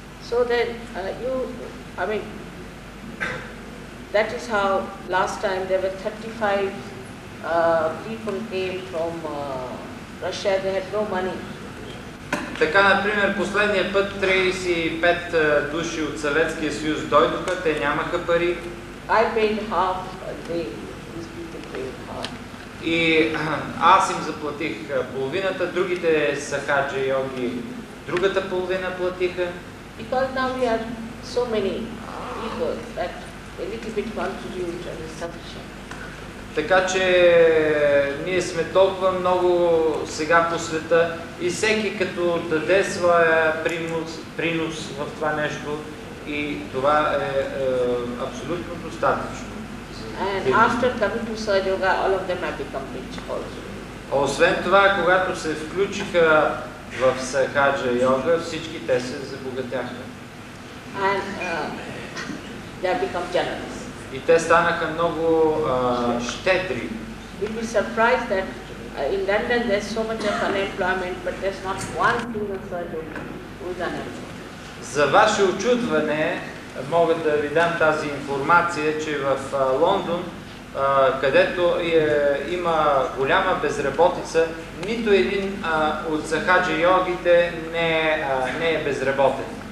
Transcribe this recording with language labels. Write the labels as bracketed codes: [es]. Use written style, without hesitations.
[en] So then you, I mean, that is how last time there were 35 people came from Russia, they had no money. [bg] Така, например, последния път 35 души от Съветския съюз дойдоха, те нямаха пари. [en] I paid half a day. These people paid half. [bg] И аз им заплатих половината, другите сахаджа йоги другата половина платиха. [en] Because now we are so many people that a little bit contribute and is sufficient. [bg] Така че ние сме толкова много сега по света и всеки като даде своя принос в това нещо и това е абсолютно достатъчно. [en] And after coming to Sahaja Yoga, all of them have become rich also. [bg] Освен това, когато се включиха в Сахаджа Йога, всички те се забогатяха. [en] And they have become generous. [bg] И те станаха много щедри. [en] You'd be surprised that in London there's so much of unemployment, but there's not one single surgeon who's unemployed. [bg] За ваше учудване, мога да ви дам тази информация, че в Лондон където има голяма безработица, нито един от сахаджа йогите не е безработен.